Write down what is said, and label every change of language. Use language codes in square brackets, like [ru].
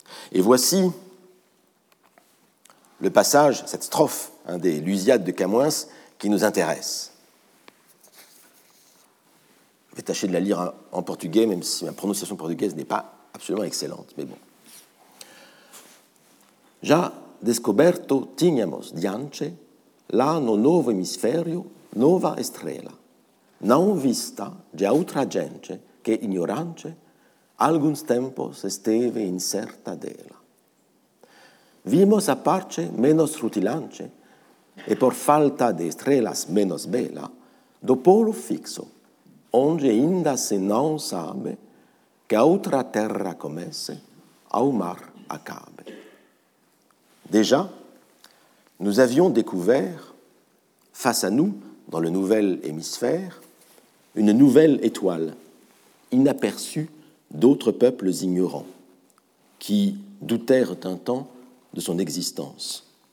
[fr] Et voici le passage, cette strophe, hein, des Lusiades de Camoens qui nous intéresse. Je vais tâcher de la lire en portugais, même si ma prononciation portugaise n'est pas absolument excellente, mais bon. [pt] Já descoberto tínhamos diante lá no novo hemisfério nova estrela, não vista de outra gente que ignorante alguns tempos esteve incerta dela. Vimos a parte menos rutilante e por falta de estrelas menos bela do polo fixo, onde ainda se não sabe que a outra terra comece, ao mar acabe. [fr] Déjà, nous avions découvert, face à nous, dans le nouvel hémisphère, une nouvelle étoile, inaperçue d'autres peuples ignorants, qui doutèrent un temps de son existence.